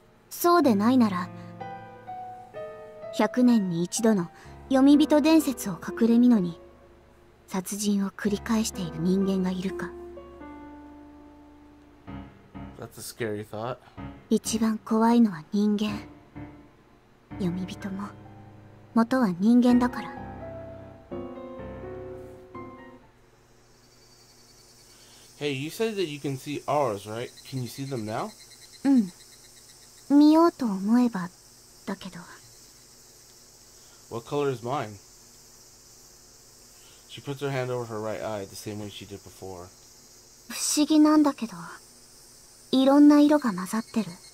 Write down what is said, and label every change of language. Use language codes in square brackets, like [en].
[ja] そうでないなら、100年に一度の読み人伝説を隠れ蓑に殺人を繰り返している人間がいるか。 [en] That's a scary thought. [ja] 一番怖いのは人間。読み人も元は人間だから。 [en] Hey, you said that you can see auras, right? Can you see them now? [ja] うん。見ようと思えば、だけど。 [en] What color is mine? She puts her hand over her right eye, the same way she did before. [ja] 不思議なんだけど、いろんな色が混ざってる。